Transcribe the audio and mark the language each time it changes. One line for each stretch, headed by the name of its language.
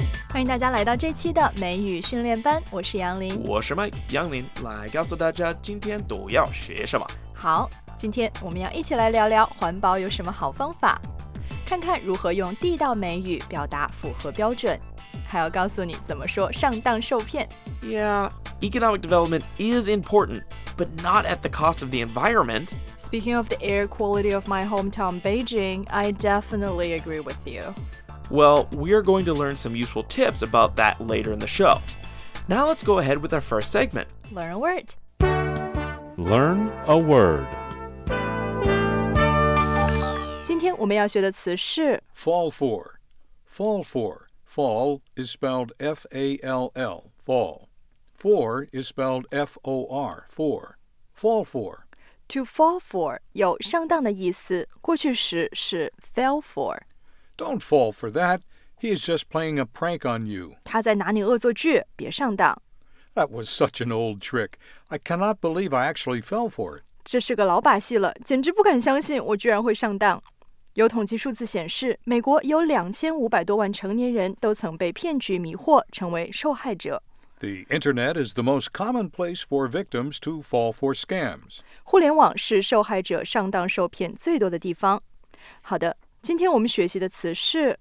Chinese: 欢迎大家来到这期的美语训练班，我是杨林，我是 Mike 杨林，来告诉大家今天都要学什么。好，今天我们要一起来聊聊环保有什么好方法，看看如何用地道美语表达符合标准，还要告诉你怎么说上当受骗。
English: Yeah, economic development is important, but not at the cost of the environment. Speaking of the air quality of my hometown Beijing, I definitely agree with you. Well, we are going to learn some useful tips about that later in the show. Now let's go ahead with our first segment. Learn a word. Learn a word.
Chinese: 今天我们要学的词是
English: fall for. Fall for. Fall is spelled F-A-L-L, fall. For is spelled F-O-R, for. Fall for.
Chinese: To fall for 有上当的意思，过去时是 fell for.
English: Don't fall for that. He is just playing a prank on you.
Chinese: 他在拿你恶作剧，别上当。
English: That was such an old trick. I cannot believe I actually fell for it.
Chinese: 这是个老把戏了，简直不敢相信我居然会上当。有统计数字显示，美国有2500多万成年人都曾被骗局迷惑，成为受害者。
English: The internet is the most common place for victims to fall for scams.
Chinese: 互联网是受害者上当受骗最多的地方。好的，今天我们学习的词是